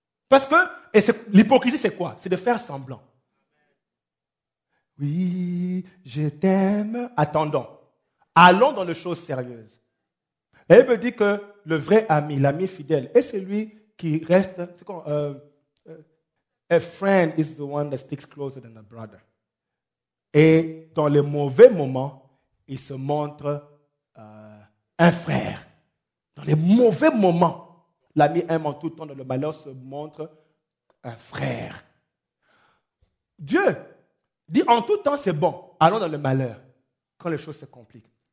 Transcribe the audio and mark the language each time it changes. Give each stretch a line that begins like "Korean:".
French: Parce que et c'est, l'hypocrisie, c'est quoi? C'est de faire semblant. Oui, je t'aime. Attendons. Allons dans les choses sérieuses. La Bible dit que le vrai ami, l'ami fidèle, est celui qui reste. C'est quoi?
English: A friend is the one that sticks closer than a brother.
French: Et dans les mauvais moments, il se montre un frère. Dans les mauvais moments, l'ami aime en tout temps, dans le malheur, se montre un frère. Dieu dit en tout temps, c'est bon, allons dans le malheur, quand les choses se compliquent.